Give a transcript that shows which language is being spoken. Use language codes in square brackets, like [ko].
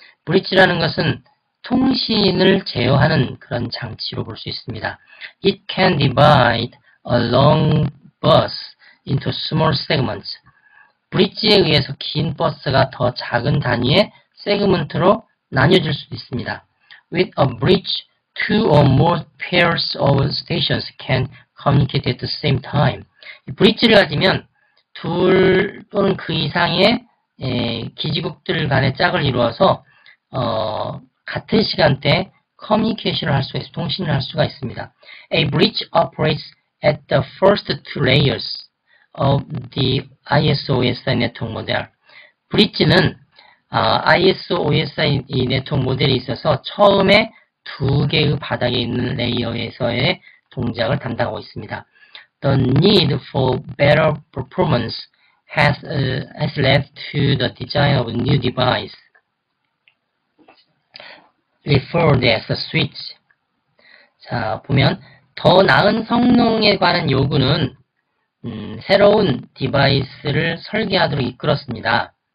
[ko] 브릿지라는 것은 통신을 제어하는 그런 장치로 볼 수 있습니다. [en] It can divide a long bus into small segments. [ko] 브릿지에 의해서 긴 버스가 더 작은 단위의 세그먼트로 나뉘어질 수도 있습니다. [en] With a bridge, two or more pairs of stations can communicate at the same time. [ko] 브릿지를 가지면 둘 또는 그 이상의 기지국들 간의 짝을 이루어서 같은 시간대에 커뮤니케이션을 할 수가 있어요. 통신을 할 수가 있습니다. [en] A bridge operates at the first two layers of the ISO OSI [ko] 네트워크 모델. 브릿지는 ISO OSI 이 네트워크 모델에 있어서 처음에 두 개의 바닥에 있는 레이어에서의 동작을 담당하고 있습니다. [en] The need for better performance has led to the design of a new device referred as a switch. [ko] 자, 보면 더 나은 성능에 관한 요구는 새로운 디바이스를 설계하도록 이끌었습니다.